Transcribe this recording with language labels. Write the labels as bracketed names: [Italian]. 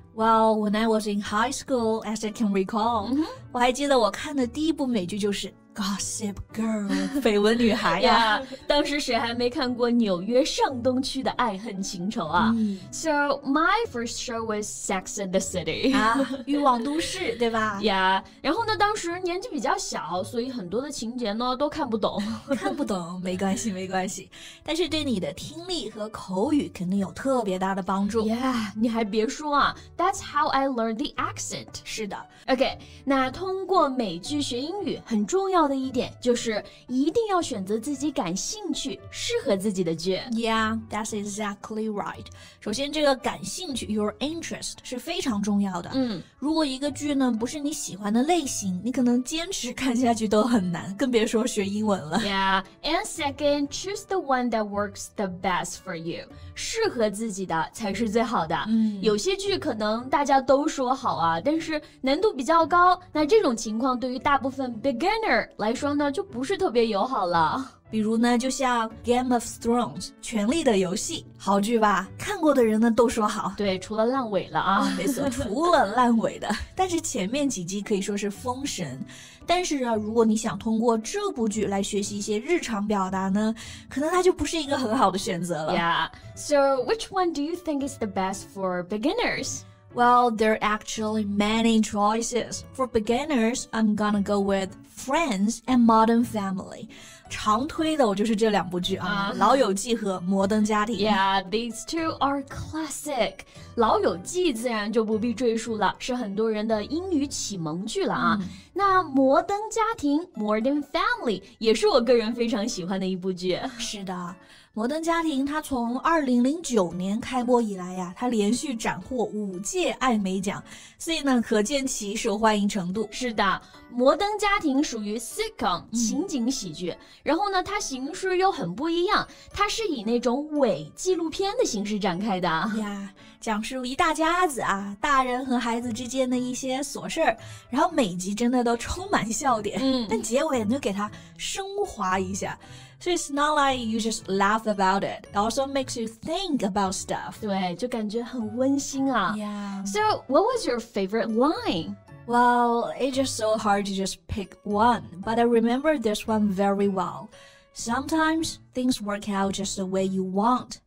[English] Well, when I was in high school, as I can recall,、 mm-hmm. [Chinese] 我还记得我看的第一部美剧就是 Gossip Girl, 绯闻女孩呀。 [English] Yeah, [Chinese] 当时谁还没看过纽约上东区的爱恨情仇啊、 mm. [English] So, my first show was Sex and the City. [Chinese] 啊，欲望都市，对吧 [English] ？Yeah. [Chinese] 然后呢，当时年纪比较小，所以很多的情节呢都看不懂。看不懂，没关系，没关系。但是对你的听力和口语肯定有特别大的帮助。 [English] Yeah, [Chinese] 你还别说啊。 [English] That's how I learned the accent. [Chinese] 是的。 [English] Okay, [Chinese] 那通过美剧学英语很重要的一点就是一定要选择自己感兴趣、适合自己的剧。 [English] Yeah, that's exactly right. [Chinese] 首先这个感兴趣 [English] your interest [Chinese] 是非常重要的。如果一个剧呢不是你喜欢的类型你可能坚持看下去都很难更别说学英文了。 [English] Yeah, and second, choose the one that works the best for you. [Chinese] 适合自己的才是最好的。有些剧可能大家都说好啊但是难度比较高那这种情况对于大部分 beginner 来说呢就不是特别友好了比如呢就像 Game of Thrones 权力的游戏好剧吧看过的人呢都说好对除了烂尾了啊、哦、没错除了烂尾的但是前面几集可以说是封神但是啊如果你想通过这部剧来学习一些日常表达呢可能它就不是一个很好的选择了 [English] Yeah, so which one do you think is the best for beginners? Well, there are actually many choices. For beginners, I'm gonna go with Friends and Modern Family. [Chinese] 常推的我就是这两部剧啊、老友记和摩登家庭。 [English] Yeah, these two are classic. [Chinese] 老友记自然就不必赘述了是很多人的英语启蒙剧了啊。那摩登家庭 Modern Family 也是我个人非常喜欢的一部剧。是的。摩登家庭它从2009年开播以来呀它连续斩获5届艾美奖所以呢可见其受欢迎程度。是的摩登家庭属于 sitcom, 情景喜剧、然后呢它形式又很不一样它是以那种伪纪录片的形式展开的。呀讲述一大家子啊大人和孩子之间的一些琐事然后每集真的都充满笑点、但结尾呢就给它升华一下。 [English] So it's not like you just laugh about it. It also makes you think about stuff. [Chinese] 对，就感觉很温馨啊。 [English] Yeah. So what was your favorite line? Well, it's just so hard to just pick one. But I remember this one very well. Sometimes things work out just the way you want.